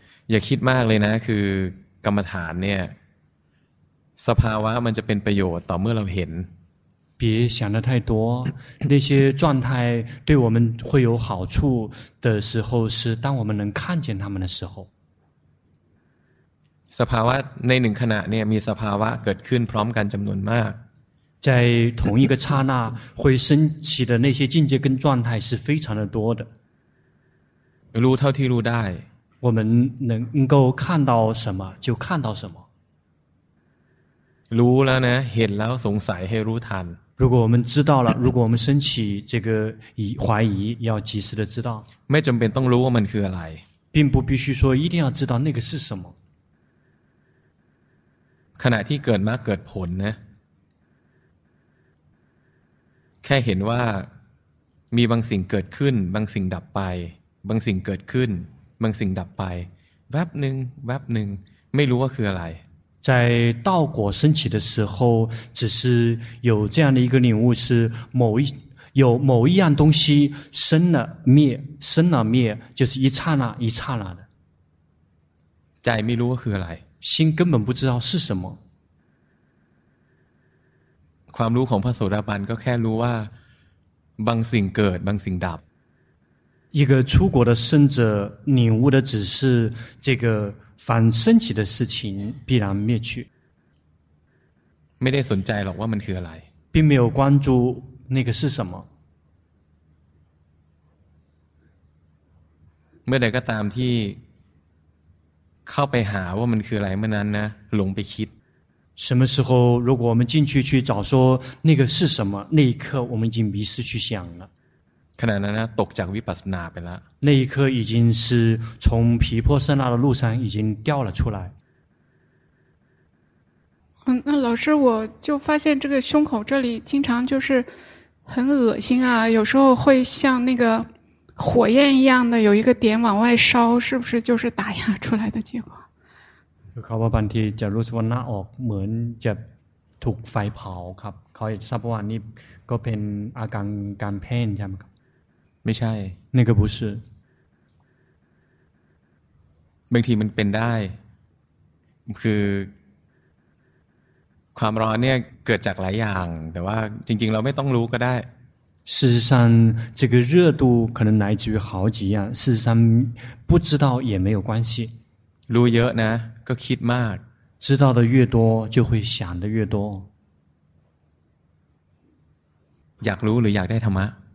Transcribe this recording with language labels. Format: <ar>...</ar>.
<th>อย่าคิดมากเลยนะคือกรรมฐานเนี่ยสภาวะมันจะเป็นประโยชน์ต่อเมื่อเราเห็น</th> <zh>别想的太多那些状态对我们会有好处的时候是当我们能看见他们的时候</zh> <th>สภาวะในหนึ่งขณะเนี่ยมีสภาวะเกิดขึ้นพร้อมกันจำนวนมาก</th> <zh>在同一个刹那会升起的那些境界跟状态是非常的多的</zh> <th>รู้เท่าที่รู้ได้</th> <zh>我们能够看到什么就看到什么</zh> <th>รู้แล้วนะเห็นแล้วสงสัยให้รู้ทัน</th> <zh>如果我们知道了如果我们升起这个怀疑要及时的知道</zh> <th>ไม่จำเป็นต้องรู้ว่ามันคืออะไร</th> <zh>并不必须说一定要知道那个是什么</zh> <th>ขณะที่เกิดมาเกิดผลนะแค่เห็นว่ามีบางสิ่งเกิดขึ้นบางสิ่งดับไปบางสิ่งเกิดขึ้นบางสิ่งดับไปแวบหนึ่งแวบหนึ่งไม่รู้ว่าคืออะไร</th> <zh>在道果升起的时候只是有这样的一个领悟是某一样东西生了灭生了灭就是一刹那一刹那的</zh> <th>ใจไม่รู้ว่าคืออะไร</th> <zh>心根本不知道是什么</zh> <th>ความรู้ของพระโสดาบันก็แค่รู้ว่าบางสิ่งเกิดบางสิ่งดับ</th> <zh>一个出国的圣者领悟的只是这个凡升起的事情必然灭去</zh> <th>ไม่ได้สนใจหรอกว่ามันคืออะไร</th> <zh>并没有关注那个是什么</zh> <th>เมื่อใดก็ตามที่เข้าไปหาว่ามันคืออะไรเมื่อนั้นนะหลงไปคิด</th> <zh>什么时候如果我们进去去找说那个是什么那一刻我们已经迷失去想了</zh> <th>ขณะนั้นนะตกจากวิปัสสนาไปแล้ว</th> <zh>那一刻已经是从皮破色那的路上已经掉了出来嗯那老师我就发现这个胸口这里经常就是很恶心啊有时候会像那个火焰一样的有一个点往外烧是不是就是打压出来的结果</zh> <th>เขาบอกบางทีจะรู้สึกว่าหน้าออกเหมือนจะถูกไฟเผาครับเขาจะทราบว่านี่ก็เป็นอาการการแพ้ใช่ไหมครับ ไม่ใช่</th> <zh>那个不是</zh> <th>บางทีมันเป็นได้คือความร้อนเนี่ยเกิดจากหลายอย่างแต่ว่าจริงๆเราไม่ต้องรู้ก็ได้</th> <zh>事实上这个热度可能来自于好几样事实上不知道也没有关系</zh> <th>รู้เยอะนะก็คิดมาก</th> <zh>知道的越多就会想的越多</zh> <th>อยากรู้หรืออยากได้ธรรมะ</th>